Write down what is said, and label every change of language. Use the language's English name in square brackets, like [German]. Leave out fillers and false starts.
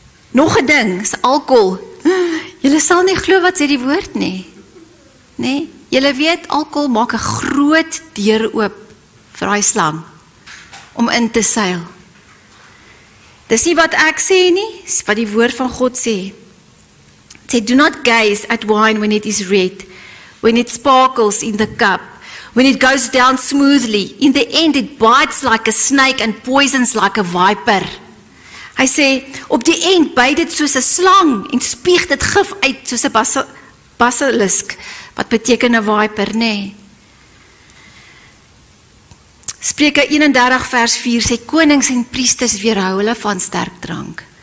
[Afrikaans] Nog een ding, is alcohol. Jylle sal nie glo wat sê die woord nie. Nee, jylle weet, alcohol maak een groot deur oop vir die slang om in te seil. Dis nie wat ek sê nie, is wat die woord van God sê. [English] It sê, do not gaze at wine when it is red, when it sparkles in the cup, when it goes down smoothly. In the end, it bites like a snake and poisons like a viper. [Afrikaans] Hy sê, op die end, byt het soos 'n slang en spieg het gif uit soos 'n basilisk, wat beteken 'n viper, nee. Spreuke 31 vers 4 sê, konings en priesters weerhou hulle van sterk drank.